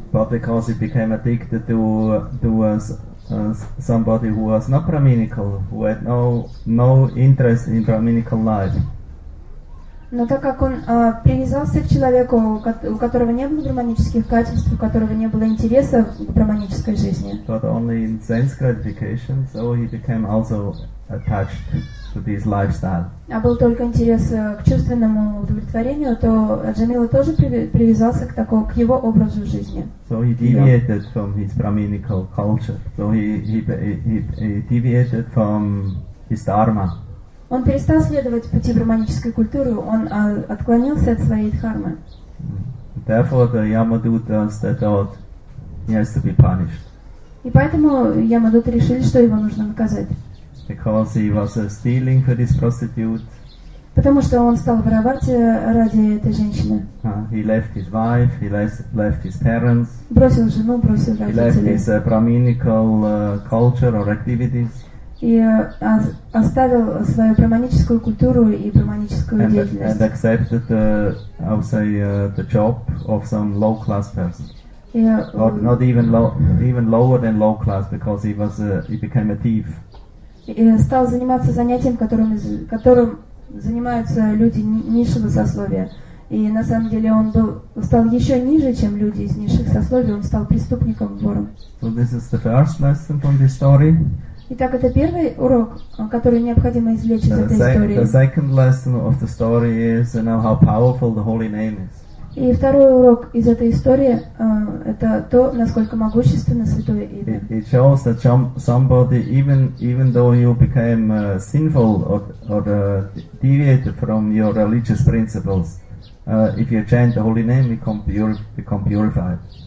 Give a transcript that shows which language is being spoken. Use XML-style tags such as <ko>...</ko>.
<en>But because he became addicted to somebody who was not brahminical, who had no interest in brahminical life.</en> <ru>Но так как он привязался к человеку, у которого не было брахманических качеств, у которого не было интереса к брахманической жизни.</ru> <en>But only in sense gratification, so he became also attached to this lifestyle.</en> <ru>А был только интерес к чувственному удовлетворению, то Аджамила тоже привязался к его образу жизни.</ru> <en>So he deviated from his brahminical culture. So he deviated from his dharma.</en> <ru>Он перестал следовать пути брахманической культуры, он отклонился от своей дхармы.</ru> <en>Therefore the Yamadutta said that he has to be punished.</en> <ru>И поэтому Ямадута решили, что его нужно наказать.</ru> <en>Because he was stealing for this prostitute.</en> <ru>Потому что он стал воровать ради этой женщины.</ru> <en>He left his wife, he left his parents.</en> <ru>Бросил жену, бросил родителей.</ru> <en>He left his brahminical culture or activities.</en> <ru>И оставил свою брахманическую культуру и брахманическую деятельность.</ru> <en>And accepted the job of some low class person. Not even lower than low class, because he became a thief.</en> <ru>И стал заниматься занятием, которым занимаются люди низшего сословия. И на самом деле он стал еще ниже, чем люди из низших сословий, он стал преступником, вором.</ru> <en>So this is the first lesson from this story.</en> <ru>Итак, это первый урок, который необходимо извлечь из этой истории.</ru> <en>The second lesson of the story is, you know, how powerful the holy name is.</en> <ru>И второй урок из этой истории это то, насколько могущественно святое имя.</ru> <en>It shows that somebody, even though you became sinful or deviated from your religious principles, if you chant the holy name, you become purified.</en>